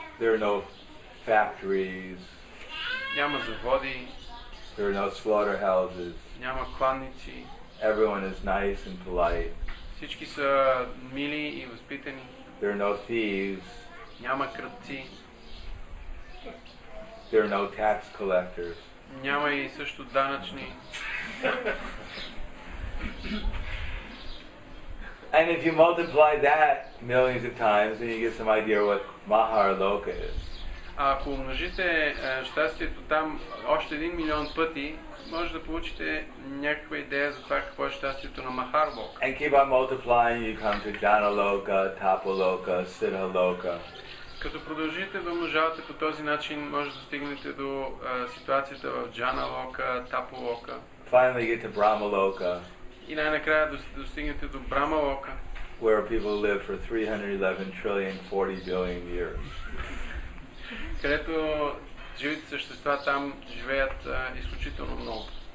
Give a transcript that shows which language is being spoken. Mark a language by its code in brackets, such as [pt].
[en] There are no factories. [bg] Няма заводи. [en] There are no slaughterhouses. [bg] Няма кланици. [en] Everyone is nice and polite. [bg] Всички са мили и възпитани. [en] There are no thieves. [bg] Няма крадци. [en] There are no tax collectors. [bg] Няма и също данъчни. [en] And if you multiply that millions of times, then you get some idea what Maharloka is. [bg] А ако умножите щастието там още един милион пъти, може да получите някаква идея за това какво е щастието на Махарлока. [en] And keep on multiplying, you come to Janaloka, Tapoloka, Siddhaloka. [bg] Като продължите да умножавате по този начин, може да стигнете до ситуацията в Джаналока, Тапулока. [en] Finally get to Брамалока. [bg] И най-накрая достигнете до Брамалока. [en] Where people live for 311 trillion 40 billion years. [bg] Където живите същества там живеят изключително много.